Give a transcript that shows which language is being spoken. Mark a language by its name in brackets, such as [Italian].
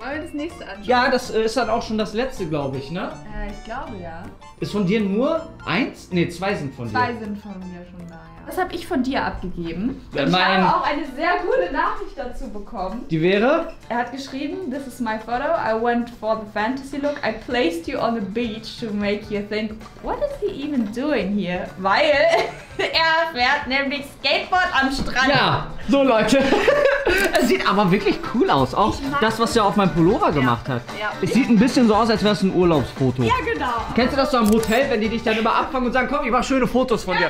[German] Wollen wir das nächste anschauen? Ja, das ist dann auch schon das letzte, glaube ich, ne? Ich glaube, ja. Ist von dir nur eins? Ne, zwei sind von dir. Zwei sind von mir schon da, ja. Was habe ich von dir abgegeben? Ich habe auch eine sehr coole Nachricht dazu bekommen. Die wäre? Er hat geschrieben, [English] this is my photo, I went for the fantasy look, I placed you on the beach to make you think, what is he even doing here? [German] Weil er fährt nämlich Skateboard am Strand. Ja, so Leute. Es sieht aber wirklich cool aus. Auch das, was er auf meinem Pullover gemacht hat. Ja. Es sieht ein bisschen so aus, als wäre es ein Urlaubsfoto. Ja, genau. Kennst du das so am Hotel, wenn die dich dann immer abfangen und sagen, komm, ich mache schöne Fotos von dir.